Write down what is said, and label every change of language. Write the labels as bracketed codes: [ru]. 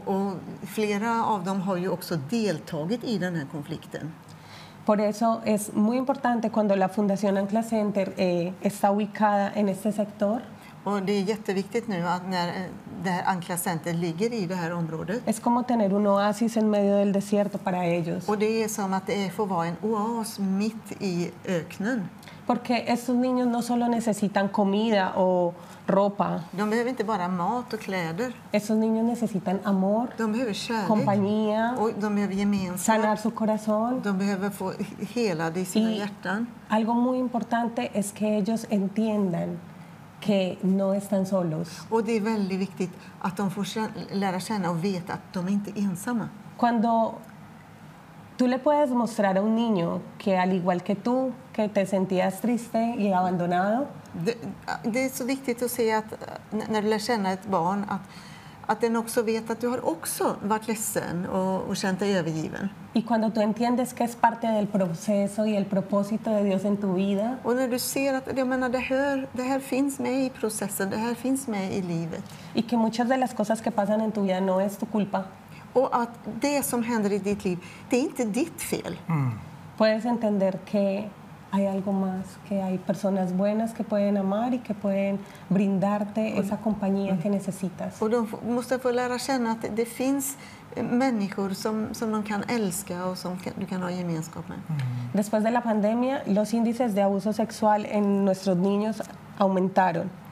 [sv] Och flera av dem har ju också deltagit i den här konflikten. [es] Por eso es muy importante cuando la Fundación Ancla Center está ubicada en este sector. [sv] Och det är jätteviktigt nu att när det här Ancla Center ligger i det här området. [es] Es como tener un oasis en medio del desierto para ellos. [sv] Och det är som att det får vara en oas mitt i öknen. [es] Porque estos niños no solo necesitan comida o ropa. [sv] De behöver inte bara mat och kläder. [es] Esos niños necesitan amor. [sv] De behöver kärlek. [es] Compañía. [sv] Och de behöver gemenskap. [es] Sanar su corazón. [sv] De behöver få helade i sina hjärtan. [es] Algo muy importante es que ellos entiendan que no están solos. [sv] Och det är väldigt viktigt att de får lära känna och veta att de inte är ensamma. [es] Cuando tú le puedes mostrar a un niño que al igual que tú que te sentías triste y abandonado. [sv] Det är så viktigt att se att när du lär känna ett barn att den också vet att du har också varit ledsen och känt dig övergiven. [es] Y cuando tú entiendes que es parte del proceso y el propósito de Dios en tu vida. [sv] Och när du ser att det här finns med i processen, det här finns med i livet. [es] Y que muchas de las cosas que pasan en tu vida no es tu culpa. [sv] Och att det som händer i ditt liv, det är inte ditt fel. Mm. [es] Puedes entender que hay algo más, que hay personas buenas que pueden amar y que pueden brindarte esa compañía que necesitas. [sv] Och de måste få lära känna att det finns människor som de kan älska och som du kan ha gemenskap med. Mm. [es] Después de la pandemia, los índices de abuso sexual en nuestros niños aumentaron.